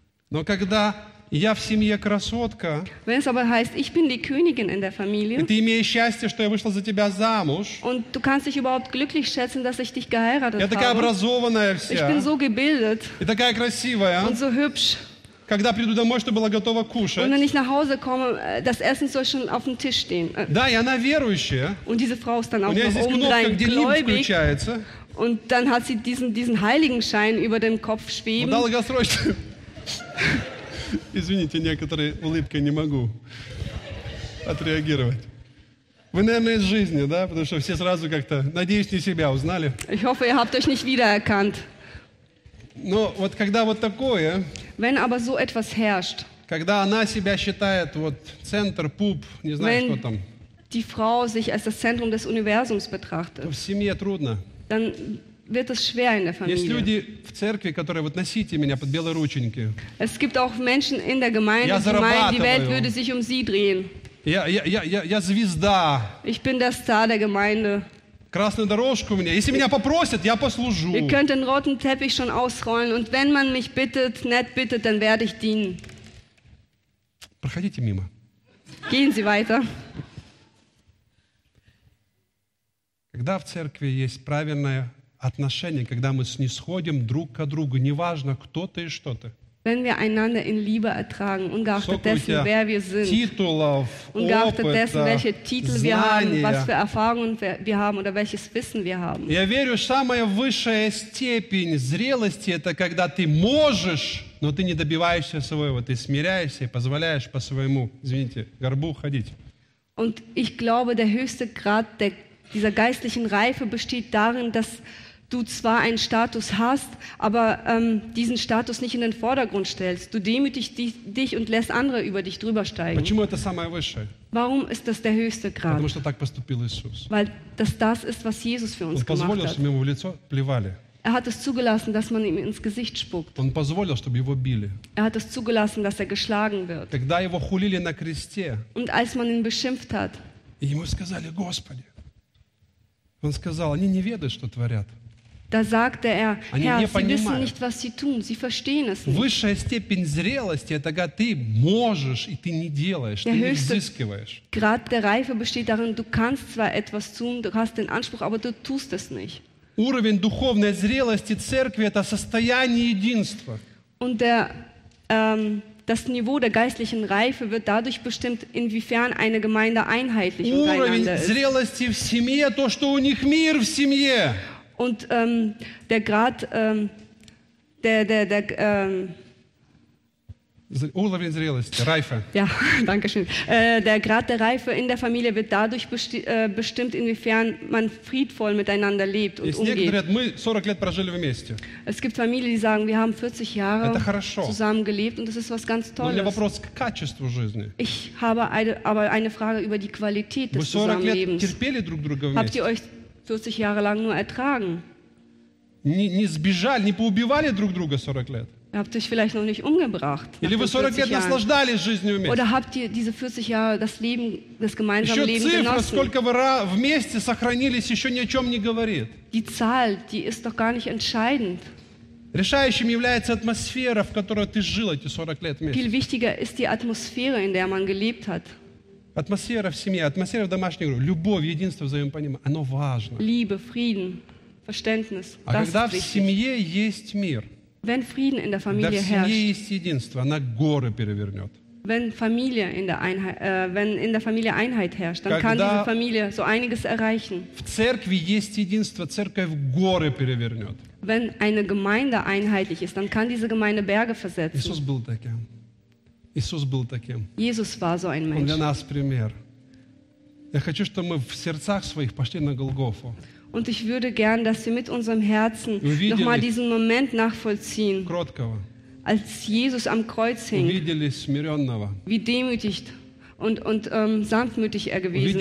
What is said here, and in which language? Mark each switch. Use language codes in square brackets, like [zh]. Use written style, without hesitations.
[ru] Но когда я в семье красотка, [de] wenn es aber heißt, ich bin die Königin in der Familie, [ru] ты имеешь счастье, что я вышла за тебя замуж, [de] und du kannst dich überhaupt glücklich schätzen, dass ich dich geheiratet [ru] я такая [de] habe, [ru] образованная вся, [de] ich bin so gebildet [ru] и такая красивая, [de] und so hübsch, [ru] когда приду домой, чтобы была готова кушать, [de] und wenn ich nach Hause komme, das Essen soll schon auf dem Tisch stehen. [ru] Да, и она верующая, [de] und diese Frau ist dann auch noch obendrein gläubig, und dann hat sie diesen Heiligenschein über dem Kopf schweben. [ru] Ну, долгосрочно. Извините, некоторые улыбки не могу отреагировать. Вы, наверное, из жизни, да? Потому что все сразу как-то, надеюсь, не себя узнали. [de] Ich hoffe, ihr habt euch nicht wiedererkannt. [ru] Но вот когда вот такое, [de] wenn aber so etwas herrscht, [ru] когда она себя считает вот центр, пуп, не знаю, [de] wenn [ru] что там, [de] die Frau sich als das Zentrum des Universums betrachtet, [ru] в семье трудно. [de] Dann wird es schwer in der Familie. [ru] Есть люди в церкви, которые вот носите меня под белые рученьки. [de] Es gibt auch Menschen in der Gemeinde, die meinen, die Welt würde sich um sie drehen. [ru] Я звезда. [de] Ich bin der Star der Gemeinde. [ru] Красную дорожку мне. Если меня попросят, я послужу. [de] Ihr könnt den roten Teppich schon ausrollen und wenn man mich bittet, nett bittet, dann werde ich dienen. [ru] Проходите мимо. [de] Gehen Sie weiter. [ru] Когда в церкви есть правильное отношение, когда мы снисходим друг к другу, неважно, кто ты и что ты. [de] Wenn wir einander in Liebe ertragen, ungeachtet dessen, wer wir sind, ungeachtet dessen, welche Titel wir haben, was für Erfahrungen wir haben oder welches Wissen wir haben. [ru] Я верю, самая высшая степень зрелости – это когда ты можешь, но ты не добиваешься своего, ты смиряешься и позволяешь по своему, извините, горбу ходить. [de] Und ich glaube, der höchste Grad dieser geistlichen Reife besteht darin, dass du zwar einen Status hast, aber diesen Status nicht in den Vordergrund stellst. Du demütigst dich und lässt andere über dich drüber steigen. [ru] Почему это самое высшее? [de] Warum ist das der höchste Grad? [ru] Потому что так поступил Иисус. [de] Weil das ist, was Jesus für uns gemacht hat. [ru] Он позволил, чтобы ему в лицо плевали. [de] Er hat es zugelassen, dass man ihm ins Gesicht spuckt. [ru] Он позволил, чтобы его били. [de] Er hat es zugelassen, dass er geschlagen wird. [ru] Когда его хулили на кресте. [de] Und als man ihn beschimpft hat. [ru] И ему сказали, Господи. Он сказал, они не ведают, что творят. [de] Da sagte er, Herr, sie wissen nicht, was sie tun, sie verstehen es nicht. [ru] Высшая степень зрелости – это когда ты можешь, и ты не делаешь, ты не изыскиваешь. [de] Grad der Reife besteht darin, du kannst zwar etwas tun, du hast den Anspruch, aber du tust es nicht. [ru] Уровень духовной зрелости церкви – это состояние единства. [de] Und das Niveau der geistlichen Reife wird dadurch bestimmt, inwiefern eine Gemeinde einheitlich untereinander ist. [ru] Уровень зрелости в семье – то, что у них мир в семье. [de] Und der Grad [ru] уровень зрелости, Reife. [de] Ja, danke schön. Der Grad der Reife in der Familie wird dadurch bestimmt, inwiefern man friedvoll miteinander lebt und [ru] Есть Некоторые, мы 40 лет прожили вместе. [de] Es gibt Familien, die sagen, wir haben 40 Jahre zusammen gelebt und das ist was ganz Tolles. [ru] Но у меня вопрос к качеству жизни. [de] Ich habe aber eine Frage über die Qualität des Zusammenlebens. [ru] Вы 40 лет терпели друг друга вместе? [de] Habt ihr euch 40 Jahre lang nur ertragen. [ru] Не сбежали, не поубивали друг друга 40 лет. [de] Ihr habt euch vielleicht noch nicht umgebracht. [ru] Или вы 40 лет наслаждались жизнью вместе. [de] Oder habt ihr diese 40 Jahre das Leben, das gemeinsame Leben genossen? [ru] Еще цифра, сколько вы вместе сохранились, еще ни о чем не говорит. [de] Die Zahl, die ist doch gar nicht entscheidend. [ru] Решающим является атмосфера, в которой ты жил эти 40 лет вместе. [de] Viel wichtiger ist die Atmosphäre, in der man gelebt hat. [ru] Атмосфера в семье, атмосфера в домашней группе, любовь, единство, взаимопонимание, оно важно. [de] Liebe, Frieden, Verständnis, [ru] а [de] das [ru] когда в семье есть мир, [de] wenn Frieden in der Familie [ru] когда в семье [de] herrscht, [ru] есть единство, она горы перевернет. [de] Wenn Familie in der Einheit herrscht, dann kann diese Familie so einiges erreichen. [ru] В церкви есть единство, церковь горы перевернет. [de] Wenn eine Gemeinde einheitlich ist, dann kann diese Gemeinde Berge versetzen. [ru] Иисус был таким. Иисус был таким. [de] Jesus war so ein Mensch. [ru] Он для нас пример. Я хочу, чтобы мы в сердцах своих пошли на Голгофу. [de] Und ich würde gern, dass wir mit unserem Herzen nochmal diesen Moment nachvollziehen. [ru] Кроткого. [de] Als Jesus am Kreuz hing. [ru] Увидели смиренного. [de] Wie demütig und sanftmütig er gewesen